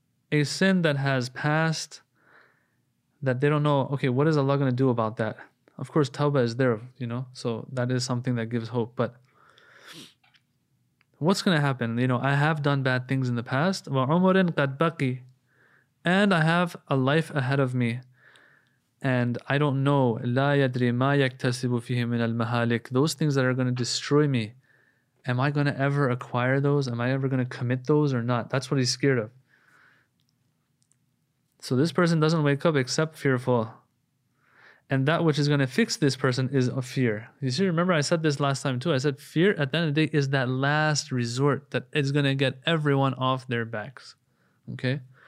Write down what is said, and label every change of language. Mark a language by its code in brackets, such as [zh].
[en] A sin that has passed, that they don't know, okay, what is Allah going to do about that? Of course, tawbah is there, you know, so that is something that gives hope. But what's going to happen? You know, I have done bad things in the past. [ar] Wa umurin qad baqi. [en] And I have a life ahead of me. And I don't know. [ar] لا يدري ما يكتسب فيه من المهالك. [en] Those things that are going to destroy me. Am I going to ever acquire those? Am I ever going to commit those or not? That's what he's scared of. So this person doesn't wake up except fearful. And that which is going to fix this person is a fear. You see, remember I said this last time too. I said fear at the end of the day is that last resort that is going to get everyone off their backs. Okay?